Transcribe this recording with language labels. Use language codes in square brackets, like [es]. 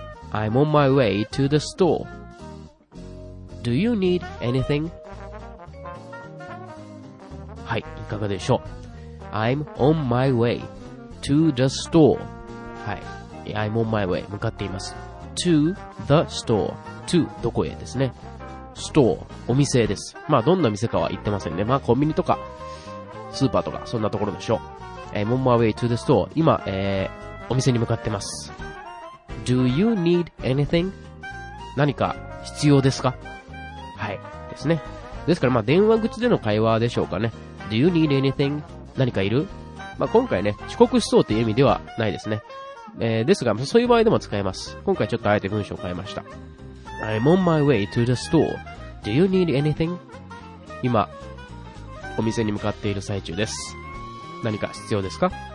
[en] I'm on my way to the store. Do you need anything? [ja] はい、いかがでしょう。 [en] I'm on my way to the store. [ja] はい、 [en] I'm on my way [ja] 向かっています。 [en] to the store to [ja] どこへですね。 store お店です。まあどんな店かは言ってませんね。まあコンビニとかスーパーとかそんなところでしょう。 [en] I'm on my way to the store [ja] 今、お店に向かってます。 [en] do you need anything [ja] 何か必要ですか。はいですね。ですからまあ電話口での会話でしょうかね。 [en] do you need anything [ja] 何かいる。まあ今回ね遅刻しそうという意味ではないですね。ですが、そういう場合でも使えます。今回ちょっとあえて文章を変えました。 [en] I'm on my way to the store. Do you need anything? [ja] 今、お店に向かっている最中です。何か必要ですか?